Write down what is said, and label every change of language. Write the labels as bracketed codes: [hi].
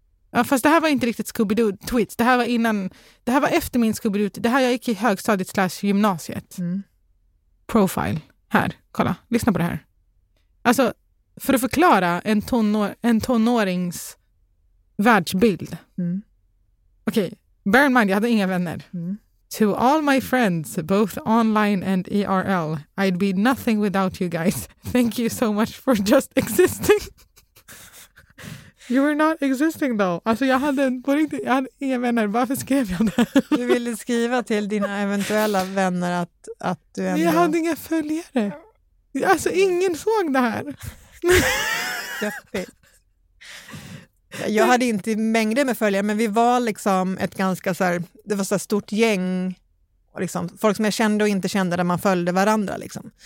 [sv] Ja, fast det här var inte riktigt Scooby-Doo-tweets. Det här var innan... Det här var efter min Scooby-Doo. Det här jag gick i högstadiet slash gymnasiet. Mm. Profile. Här, kolla. Lyssna på det här. Alltså, för att förklara en tonårings... världsbild. Mm. Okej, okay. [en] Bear in mind, [sv] jag hade inga vänner. Mm. [en] To all my friends, both online and IRL, I'd be nothing without you guys. Thank you so much for just existing. You were not existing though. [sv] Alltså jag hade, på riktigt, jag hade inga vänner. Varför skrev jag det? Du ville skriva till dina eventuella vänner att du ändå... Jag hade inga följare. Alltså ingen såg det här. Jäppigt. Jag hade inte mängder med följare, men vi var liksom ett ganska så här, det var så här stort gäng liksom, folk som jag kände och inte kände där man följde varandra liksom.